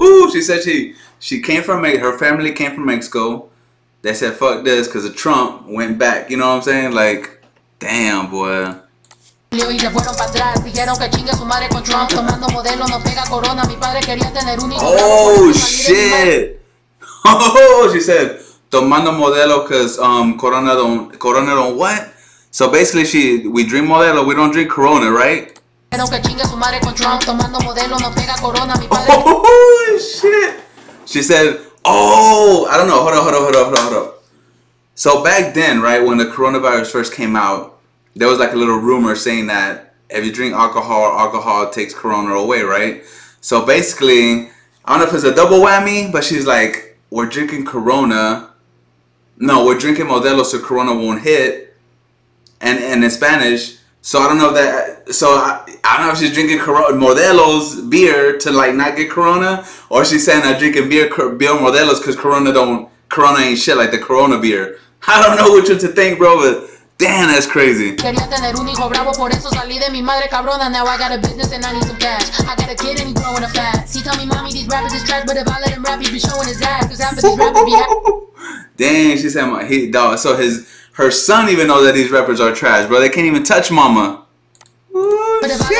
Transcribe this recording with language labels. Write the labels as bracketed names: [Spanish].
[English] She said she came from Mexico. Her family came from Mexico. They said fuck this because of Trump. Went back. You know what I'm saying? Like, damn, boy. [Spanish] Y se fueron para atrás, dijeron que chingue su madre con Trump tomando modelo, no pega corona, mi padre quería tener un hijo. [English] Oh shit. Oh, she said [Spanish] tomando modelo [English] cause corona don't what? So basically we drink modelo, we don't drink corona, right? [Spanish] Dijeron que chingue su madre con Trump tomando modelo, no pega corona, mi padre. [English] Oh shit. She said, oh, I don't know, hold up. So back then, right, when the coronavirus first came out, there was like a little rumor saying that if you drink alcohol takes corona away, right? So basically, I don't know if it's a double whammy, but she's like, we're drinking corona. No, we're drinking modelo so corona won't hit. And in Spanish. So I don't know if she's drinking modelo's beer to like not get corona. Or she's saying I'm drinking beer modelo's because corona ain't shit like the corona beer. I don't know which one to think, bro, but damn, that's crazy. [Spanish] Quería tener un hijo bravo, por eso salí de mi madre cabrona. [English] Now I got a business and I need some cash. I got a kid and he's growing up fast. He tell me, mommy, these rappers is trash, but if I let him rap, he be showing his ass. Because after this rapper be happy. Dang, she said, my, he, dog, so his, her son even knows that these rappers are trash, bro. They can't even touch mama. But if shit.